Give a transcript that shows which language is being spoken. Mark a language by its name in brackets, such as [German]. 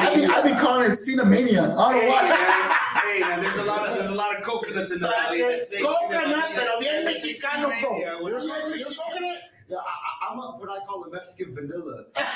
[English] I've been calling it Cinemania. I don't know why. Hey, there's a lot of coconuts in the valley. [Spanish] Coconut, pero bien mexicano, bro. [English] You're coconut? Yeah, I'm what I call a Mexican vanilla.